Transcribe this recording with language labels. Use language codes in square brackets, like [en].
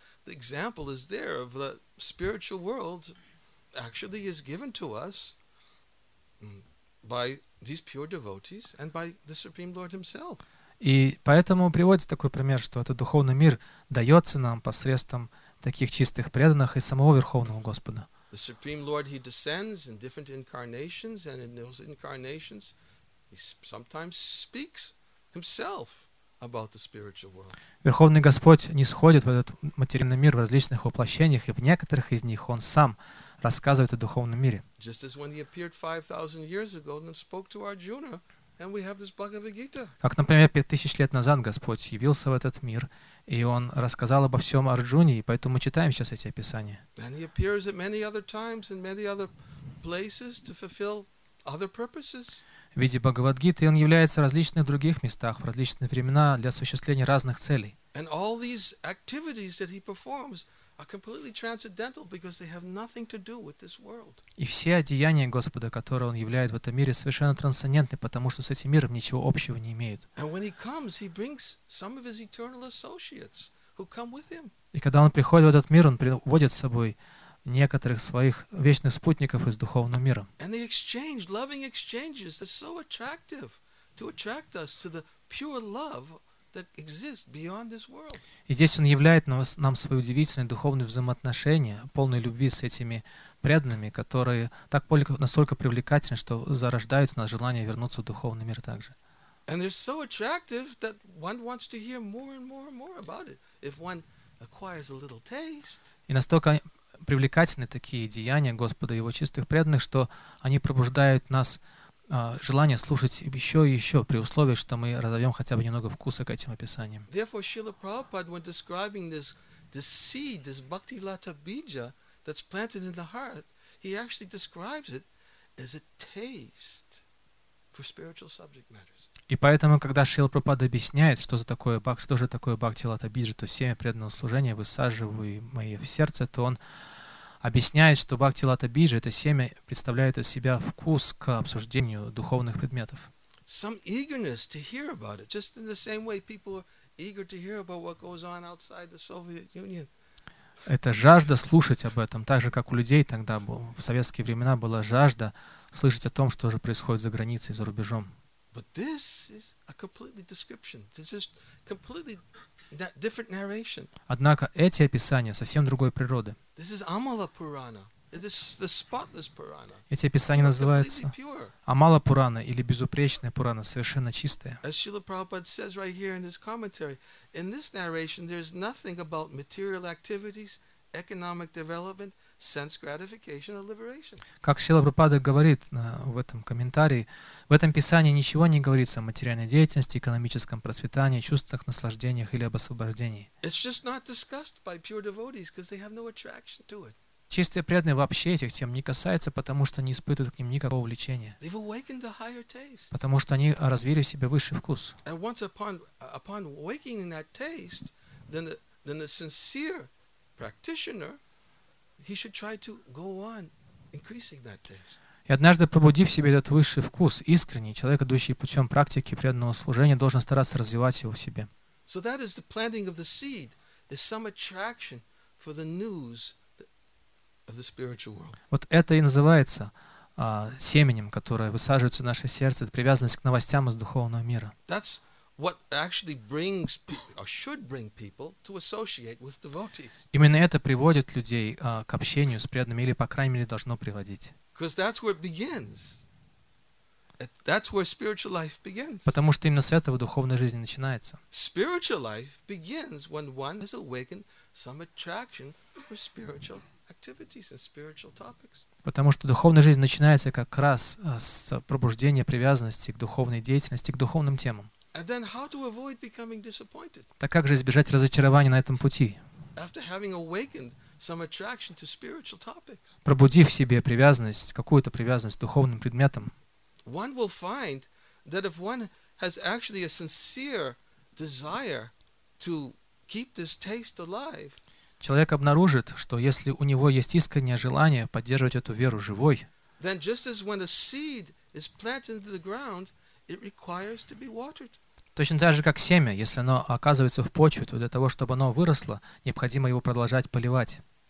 [en] example is there of the spiritual world actually is given to us by these pure devotees and by the Supreme Lord himself. [ru] И поэтому приводится такой пример, что этот духовный мир дается нам посредством таких чистых преданных и самого Верховного Господа. [en] The Supreme Lord, he descends in different incarnations, and in those incarnations, he sometimes speaks himself about the spiritual world. [ru] Верховный Господь нисходит в этот материальный мир в различных воплощениях, и в некоторых из них он сам рассказывает о духовном мире. [en] Just as when he appeared 5,000 years ago and spoke to Arjuna, and we have this Bhagavad Gita. [ru] Как, например, 5000 лет назад Господь явился в этот мир, и Он рассказал обо всем Арджуне, и поэтому мы читаем сейчас эти описания. [en] And he appears at many other times and many other places to fulfill other purposes. [ru] В виде Бхагавадгиты Он является в различных других местах, в различные времена для осуществления разных целей. [en] And all these activities that he performs are completely transcendental because they have nothing to do with this world. [ru] И все деяния Господа, которые Он являет в этом мире, совершенно трансцендентны, потому что с этим миром ничего общего не имеют. [en] And when he comes, he brings some of his eternal associates who come with him. [ru] И когда Он приходит в этот мир, Он приводит с собой некоторых своих вечных спутников из духовного мира. [en] And they exchange loving exchanges that are so attractive to attract us to the pure love that exists beyond this world. [ru] И здесь Он являет нам свои удивительные духовные взаимоотношения, полные любви с этими преданными, которые так настолько привлекательны, что зарождают в нас желание вернуться в духовный мир также. [en] And they're so attractive that one wants to hear more and more and more about it. If one acquires a little taste. [ru] И настолько привлекательны такие деяния Господа и Его чистых преданных, что они пробуждают нас желание слушать еще и еще, при условии, что мы разовьем хотя бы немного вкуса к этим описаниям. [en] Therefore, Srila Prabhupada, when describing this seed, this bhakti lata bija that's planted in the heart, he actually describes it as a taste for spiritual subject matters. [ru] И поэтому, когда Шрила Прабхупада объясняет, что за такое бхакти, что же такое бхакти лата бижа, то семя преданного служения высаживаемое в сердце, то он объясняет, что бхакти лата бижа, это семя, представляет из себя вкус к обсуждению духовных предметов. [en] Some eagerness to hear about it, just in the same way people are eager to hear about what goes on outside the Soviet Union. [ru] Это жажда слушать об этом, так же, как у людей тогда в советские времена была жажда слышать о том, что же происходит за границей, за рубежом. [en] But this is a completely description. This is completely that different narration. [ru] Однако эти описания совсем другой природы. [en] This is Amala Purana. This is the spotless Purana. [ru] Эти описания называются Амала Пурана или безупречная Пурана, совершенно чистая. [en] As Srila Prabhupada says right here in his commentary, in this narration there is nothing about material activities, economic development, sense gratification or liberation. [ru] Как Шрила Прабхупада говорит в этом комментарии, в этом писании ничего не говорится о материальной деятельности, экономическом процветании, чувственных наслаждениях или об освобождении. [en] It's just not discussed by pure devotees because they have no attraction to it. [ru] Чистые преданные вообще этих тем не касаются, потому что не испытывают к ним никакого влечения. [en] They've awakened a higher taste. [ru] Потому что они развили в себе высший вкус. [en] And once upon waking that taste, then the sincere practitioner, he should try to go on increasing that taste. [ru] И однажды пробудив в себе этот высший вкус, искренний человек, идущий путем практики преданного служения, должен стараться развивать его в себе. [en] So that is the planting of the seed, is some attraction for the news of the spiritual world. [ru] Вот это и называется семенем, которое высаживается в наше сердце, это привязанность к новостям из духовного мира. [en] That's what actually brings or should bring people to associate with devotees. [ru] Именно это приводит людей к общению с преданными, или, по крайней мере, должно приводить. [en] Because that's where it begins. That's where spiritual life begins. [ru] Потому что именно с этого духовная жизнь начинается. [en] Spiritual life begins when one has awakened some attraction for spiritual activities and spiritual topics. [ru] Потому что духовная жизнь начинается как раз с пробуждения привязанности к духовной деятельности, к духовным темам. [en] And then how to avoid becoming disappointed? [ru] Так как же избежать разочарования на этом пути? [en] After having awakened some attraction to spiritual topics. [ru] Пробудив в себе привязанность, какую-то привязанность к духовным предметам. [en] One will find that if one has actually a sincere desire to keep this taste alive. [ru] Человек обнаружит, что если у него есть искреннее желание поддерживать эту веру живой. [en] Then just as when a seed is planted into the ground, it requires to be watered. [ru] Точно так же, как семя, если оно оказывается в почве, то для того, чтобы оно выросло, необходимо его продолжать поливать.